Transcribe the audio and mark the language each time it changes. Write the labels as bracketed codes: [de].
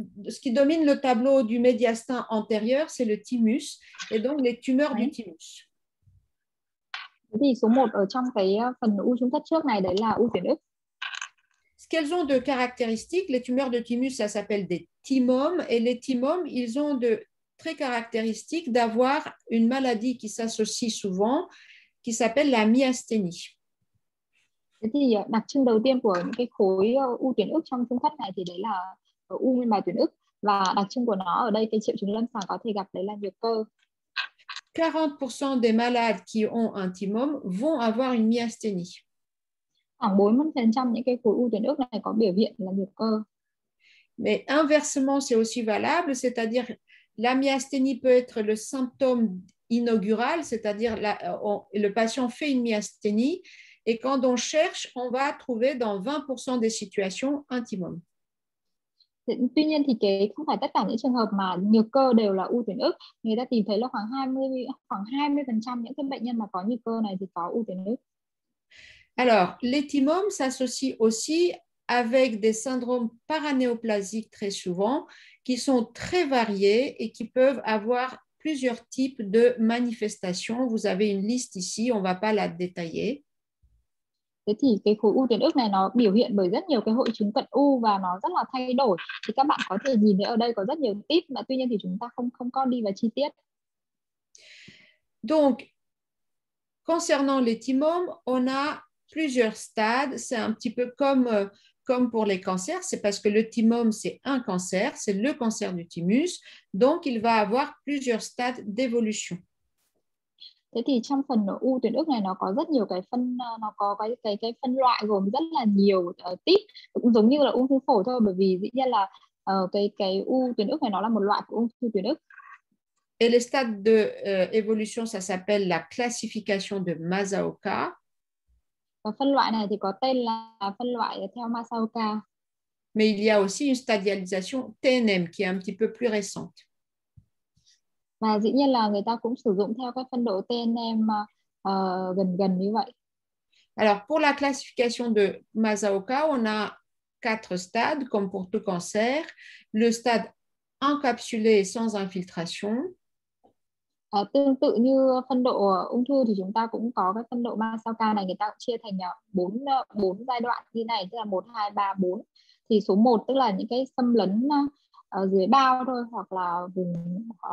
[fr] Ce qui domine le tableau du médiastin antérieur, c'est le thymus et donc les tumeurs du thymus. [vi] Thì số 1 ở trong cái phần u trung thất trước này, đấy là u tuyến ức. [fr] Ce qu'elles ont de caractéristiques, les tumeurs de thymus, ça s'appelle des thymomes. Et les thymomes, ils ont de très caractéristiques d'avoir une maladie qui s'associe souvent, qui s'appelle la myasthénie. [vi] Thế thì đặc trưng đầu tiên của những cái khối u tuyến ức trong trung thất này thì đấy là u nguyên bào tuyến ức, và đặc trưng của nó ở đây cái triệu chứng lâm sàng có thể gặp đấy là nhược cơ. [fr] 40% des malades qui ont un thymome vont avoir une myasthénie. [vi] Khoảng 40% những cái khối u tuyến ức này có biểu hiện là nhược cơ. [fr] Mais inversement, c'est aussi valable, c'est-à-dire la myasthénie peut être le symptôme inaugural, c'est-à-dire le patient fait une myasthénie et quand on cherche, on va trouver dans 20% des situations un timum. [vi] Tuy nhiên thì cái không phải tất cả những trường hợp mà nhược cơ đều là u tuyến ức, người ta tìm thấy là khoảng 20% những cái bệnh nhân mà có nhược cơ này thì có u tuyến ức. [fr] Alors, les timums s'associent aussi avec des syndromes paranéoplasiques très souvent qui sont très variés et qui peuvent avoir plusieurs types de manifestations. Vous avez une liste ici, on ne va pas la détailler. [vi] Thế thì cái khối u tuyến ức này nó biểu hiện bởi rất nhiều cái hội chứng cận u và nó rất là thay đổi. Thì các bạn có thể nhìn thấy ở đây có rất nhiều tip mà tuy nhiên thì chúng ta không có đi vào chi tiết. [fr] Donc, concernant les timums, on a plusieurs stades. C'est un petit peu comme pour les cancers. C'est parce que le timum, c'est un cancer. C'est le cancer du thymus. Donc, il va avoir plusieurs stades d'évolution. [vi] Thế thì trong phần u tuyến ức này nó có rất nhiều cái phân, nó có cái phân loại gồm rất là nhiều tip, cũng giống như là ung thư phổi thôi, bởi vì dĩ nhiên là cái u tuyến ức này nó là một loại của ung thư tuyến ức. [fr] Et le stade de évolution, ça s'appelle la classification de Masaoka. [vi] Và phân loại này thì có tên là phân loại theo Masaoka. [fr] Mais il y a aussi une stadialisation TNM qui est un petit peu plus récente. [vi] Và dĩ nhiên là người ta cũng sử dụng theo cái phân độ TNM gần như vậy. [fr] Alors, pour la classification de Masaoka, on a 4 stades, comme pour tout cancer. Le stade encapsulé sans infiltration. [vi] Tương tự như phân độ ung thư thì chúng ta cũng có cái phân độ Masaoka này, người ta cũng chia thành 4 giai đoạn như này, tức là 1, 2, 3, 4. Thì số 1 tức là những cái xâm lấn dưới bao thôi, hoặc là vùng...